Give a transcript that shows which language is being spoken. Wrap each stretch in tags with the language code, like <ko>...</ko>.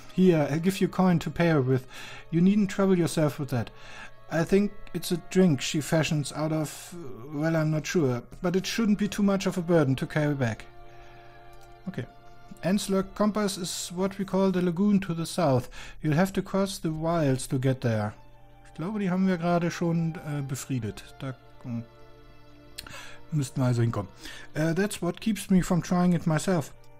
<en>Here, I'll give you a coin to pay her with. You needn't trouble yourself with that. I think it's a drink she fashions out of... Well, I'm not sure. But it shouldn't be too much of a burden to carry back. Okay. Ansler Compass is what we call the lagoon to the south. You'll have to cross the wilds to get there.</en> <de>Ich glaube, die haben wir gerade schon befriedet. Da... Müssten wir also hinkommen.</de> <en>That's what keeps me from trying it myself.</en>